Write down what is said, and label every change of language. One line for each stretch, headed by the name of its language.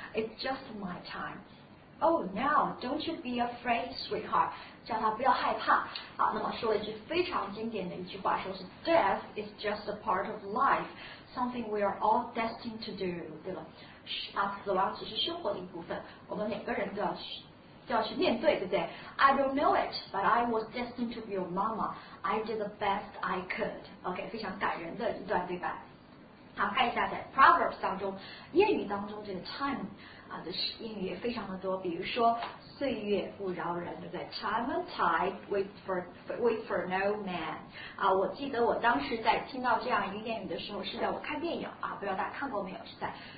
English: It's just my time. Oh no, don't you be afraid, sweetheart.
Chinese: 叫他不要害怕。好，那么说了一句非常经典的一句话，说是
English: Death is just a part of life, something we are all destined to do.
Chinese: 对吧？啊，死亡只是生活的一部分，我们每个人都要去。就要去面对，对不对？
English: I don't know it, but I was destined to be your mama. I did the best I could.
Chinese: OK, 非常感人的一段，对吧？好，看一下在 Proverbs 当中，谚语当中这个 time 啊的谚语也非常的多。比如说，岁月不饶人，对不对？
English: Time and tide wait for no man.
Chinese: 啊，我记得我当时在听到这样一个谚语的时候，是在我看电影啊，不知道大家看过没有？是在。